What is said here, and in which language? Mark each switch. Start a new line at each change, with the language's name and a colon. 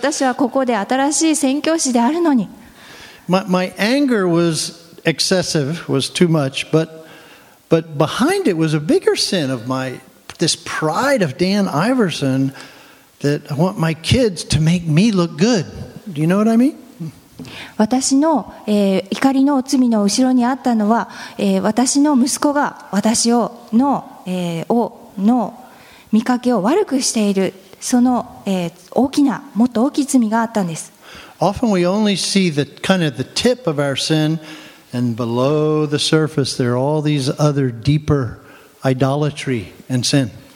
Japanese: 私はここで新しい宣教師であるのに。
English: My anger was excessive, was too much, but But behind it was a bigger sin of my, this pride of Dan Iverson that I want my kids to make me look good. Do you know what I mean?
Japanese: 私の、怒りの罪の後ろにあったのは、私の息子が私をの、の見かけを悪くしている、その、大きな、もっと大きい罪があったんです。
English: Often we only see the kind of the tip of our sin. And below the surface, there are all these other deeper idolatry and sin.